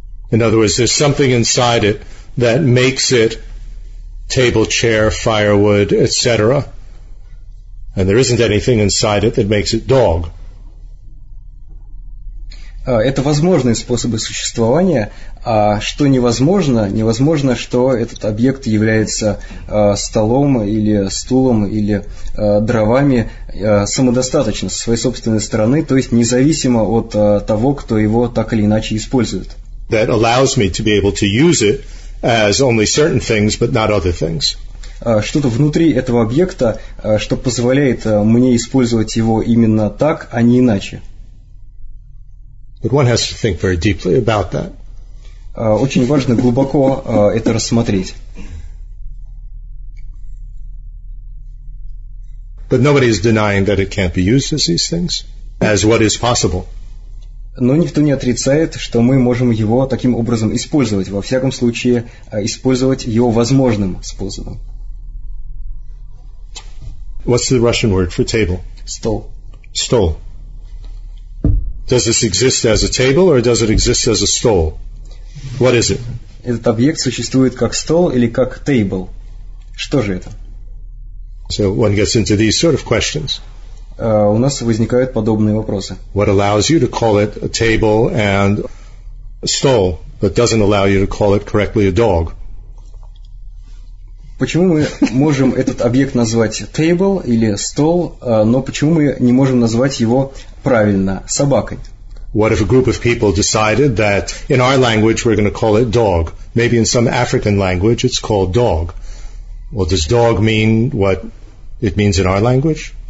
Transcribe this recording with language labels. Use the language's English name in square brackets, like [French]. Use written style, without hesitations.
[English] In other words, there's something inside it that makes it table, chair, firewood, etc. And there isn't anything inside it that makes it dog. [Russian] Это возможные способы существования, а что невозможно, невозможно, что этот объект является столом или стулом или дровами самодостаточно со своей собственной стороны, то есть независимо от того, кто его так или иначе использует. [English] That allows me to be able to use it as only certain things, but not other things. [Russian] Что-то внутри этого объекта, что позволяет мне использовать его именно так, а не иначе. [English] But one has to think very deeply about that. [Russian] Очень важно глубоко это рассмотреть. [English] But nobody is denying that it can't be used as these things, as what is possible. [Russian] Но никто не отрицает, что мы можем его таким образом использовать, во всяком случае, использовать его возможным способом. [English] What's the Russian word for table? [Russian] Стол. [English] Стол. Does this exist as a table or does it exist as a stool? What is it? [Russian] Этот объект существует как стол или как table? Что же это? [English] So one gets into these sort of questions. [Russian] У нас возникают подобные вопросы. [English] What allows you to call it a table and a stool, but doesn't allow you to call it correctly a dog? [Russian] Почему мы можем этот объект назвать table или стол, но почему мы не можем назвать его правильно собакой? [English] What if a group of people decided that in our language we're going to call it dog? Maybe in some African language it's called dog. Well, does dog mean what it means in our language?